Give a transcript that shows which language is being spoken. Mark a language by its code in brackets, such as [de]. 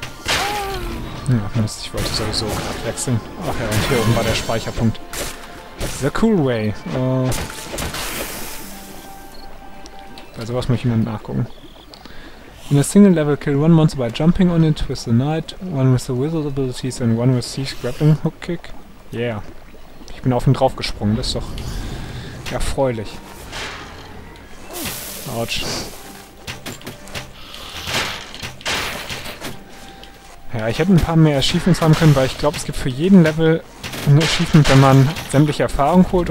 [de] Ach Mist, ich wollte sowieso gerade wechseln. Ach ja, und hier oben war der Speicherpunkt. [en] The cool way. [de] Bei sowas möchte ich mal nachgucken. [en] In a single level, kill one monster by jumping on it with the knight, one with the wizard abilities and one with Thief's grappling hook kick. Yeah. [de] Ich bin auf ihn drauf gesprungen, das ist doch erfreulich. Autsch. Ja, ich hätte ein paar mehr Achievements haben können, weil ich glaube, es gibt für jeden Level ein Achievement, wenn man sämtliche Erfahrung holt.